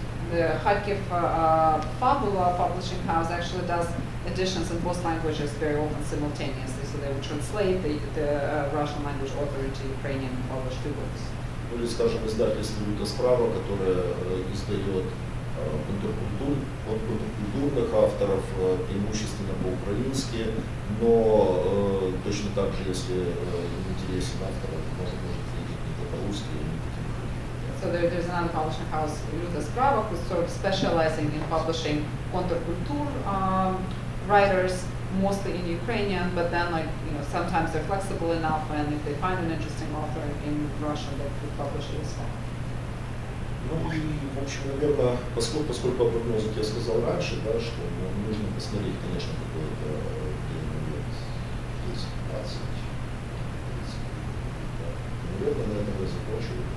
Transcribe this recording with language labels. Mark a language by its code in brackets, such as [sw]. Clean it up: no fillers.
[en] The Kharkiv Fabula publishing house actually does editions in both languages very often simultaneously, so they would translate the Russian language author into Ukrainian and publish two books. [ru] Or, скажем, издательство «Люта справа», которое издает контркультурных авторов преимущественно по-украински, но точно так же, если интересен автор, может быть, это по-русски. [en] So there's another publishing house, Luta Sprava, who's sort of specializing in publishing counterculture writers, mostly in Ukrainian, but then, like, you know, sometimes they're flexible enough, and if they find an interesting author in Russian, they could publish it as well. [ru] Ну и, в общем, наверное, поскольку о прогнозе я сказал раньше, да, что нужно посмотреть, конечно, какой это время лет, 10-20, наверное, на этом я закончу.